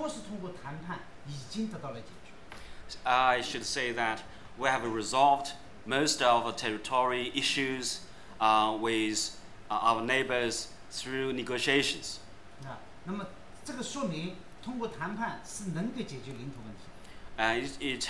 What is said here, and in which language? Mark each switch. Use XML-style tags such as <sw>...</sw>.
<zh>所以中国跟其他部分国家的周边的邻居的领土问题都是通过谈判已经得到了解决。</zh> <en>I should say that we have resolved most of our territory issues with our neighbors through negotiations.</en> <zh>那么这个说明通过谈判是能够解决领土问题。It</zh>